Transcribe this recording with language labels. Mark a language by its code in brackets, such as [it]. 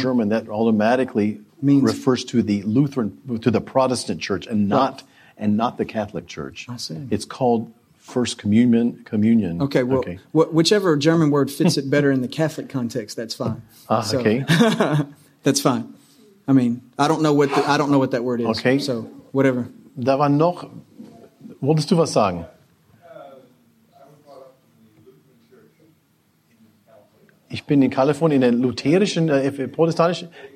[en] German, that automatically means refers to the Lutheran, to the Protestant Church, and not right. and not the Catholic Church. I see. It's called First Communion. Okay, well, okay. Whichever German word fits it better in the Catholic context, that's fine. Okay. That's fine. I mean, I don't know what that word is. Okay. So, whatever. [de] Da war noch, wolltest du was sagen? [en] I was brought up in the Lutheran Church in California. [de] Ich bin in Kalifornien, in der lutherischen, protestantischen.